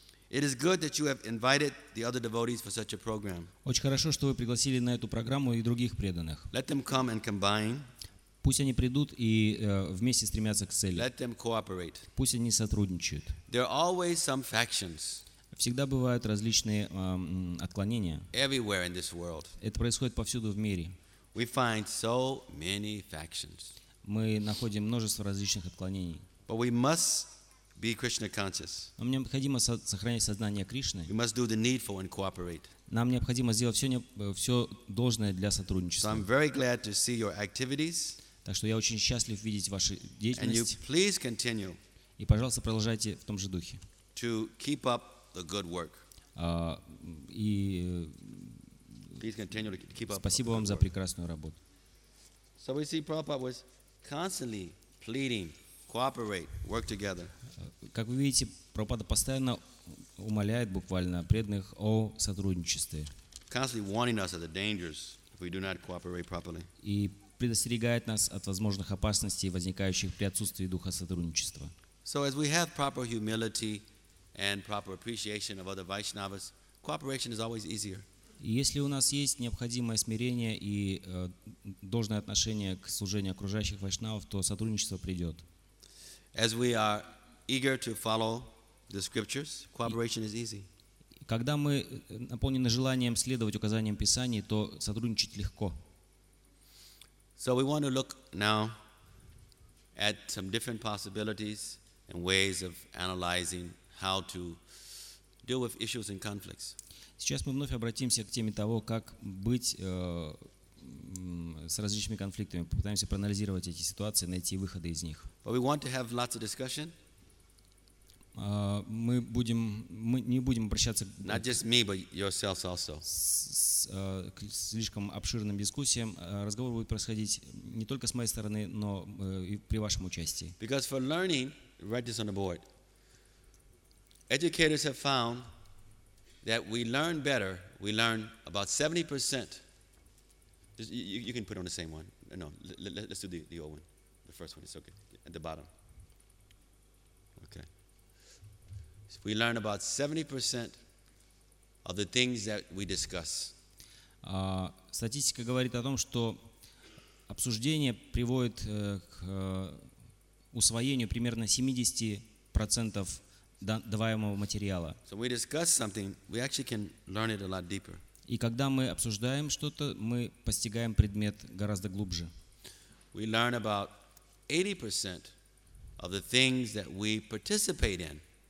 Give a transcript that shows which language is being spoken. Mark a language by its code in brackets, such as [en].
[en] It is good that you have invited the other devotees for such a program. [ru] Очень хорошо, что вы пригласили на эту программу и других преданных. [en] Let them come and combine. [ru] Пусть они придут и вместе стремятся к цели. [en] Let them cooperate. [ru] Пусть они сотрудничают. [en] There are always some factions. [ru] Всегда бывают различные отклонения. [en] Everywhere in this world. [ru] Это происходит повсюду в мире. [en] We find so many factions. [ru] Мы находим множество различных отклонений. [en] But we must be Krishna conscious. [ru] Нам необходимо сохранить сознание Кришны. [en] We must do the needful and cooperate. [ru] Нам необходимо сделать все должное для сотрудничества. [en] So I'm very glad to see your activities. [ru] Так что я очень счастлив видеть ваши деятельности. [en] And you please continue. [ru] И пожалуйста, продолжайте в том же духе. [en] to keep up the good work. Please continue to keep up. [ru] Спасибо вам за прекрасную работу. [en] So we see Prabhupada was constantly pleading, cooperate, work together. [ru] Как вы видите, Прабхупада постоянно умоляет буквально преданных о сотрудничестве. [en] Constantly warning us of the dangers if we do not cooperate properly. [ru] И предостерегает нас от возможных опасностей, возникающих при отсутствии духа сотрудничества. [en] So as we have proper humility and proper appreciation of other Vaishnavas, cooperation is always easier. [ru] Если у нас есть необходимое смирение и должное отношение к служению окружающих вайшнавов, то сотрудничество придет. [en] As we are eager to follow the scriptures, cooperation is easy. [ru] Когда мы наполнены желанием следовать указаниям Писания, то сотрудничать легко. [en] So we want to look now at some different possibilities and ways of analyzing how to deal with issues and conflicts. [ru] Сейчас мы вновь обратимся к теме того, как быть с различными конфликтами. Попытаемся проанализировать эти ситуации, найти выходы из них. [en] But we want to have lots of discussion. [ru] Мы не будем обращаться [en] not just me, but yourselves also. [ru] К слишком обширным дискуссиям. Разговор будет происходить не только с моей стороны, но и при вашем участии. [en] Because for learning, write this on the board. Educators have found that we learn better, we learn about 70%. You can put on the same one. No, let's do the old one. The first one is okay, at the bottom. Okay. So we learn about 70% of the things that we discuss. [ru] Статистика говорит о том, что обсуждение приводит к усвоению примерно 70% даваемого материала. [en] So we discuss something, we actually can learn it a lot deeper. [ru] И когда мы обсуждаем что-то, мы постигаем предмет гораздо глубже. [en] We learn about 80% of the things that we participate in.